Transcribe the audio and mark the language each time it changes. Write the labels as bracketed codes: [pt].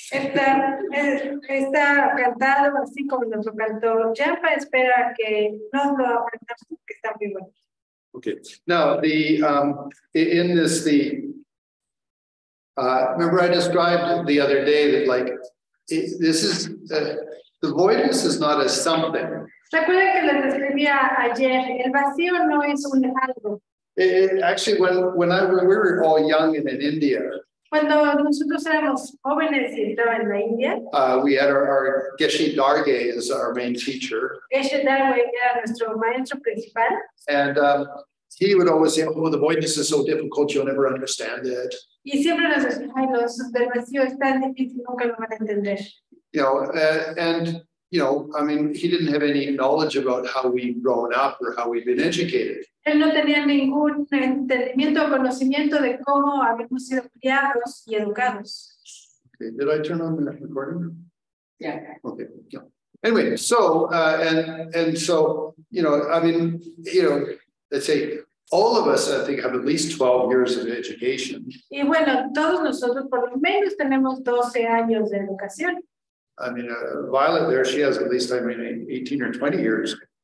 [es] Está cantado así como nos lo cantó Jeffa. Espera que no lo aprendamos porque está muy bueno. [en] Okay. Now, remember I described the other day that, the voidness is not a something. [es] ¿Se acuerdan que les describía ayer? El vacío no es un algo. [en] When we were all young and in India. [es] Cuando nosotros éramos jóvenes y estaba en la India. [en] We had our Geshe Darge as our main teacher. [es] Geshe Darge era nuestro maestro principal. [en] And he would always say, "Oh, the voidness is so difficult; you'll never understand it." [es] Y siempre nos decía, "Ay, los del vacío es tan difícil, nunca lo van a entender." [en] He didn't have any knowledge about how we've grown up or how we've been educated. [es] Él no tenía ningún entendimiento o conocimiento de cómo habíamos sido criados y educados. [en] Okay, did I turn on the recording? Yeah. Okay, yeah. Anyway, let's say all of us, I think, have at least 12 years of education. [es] Y bueno, todos nosotros por lo menos tenemos 12 años de educación. [en] I mean, Violet there, she has at least, 18 or 20 years.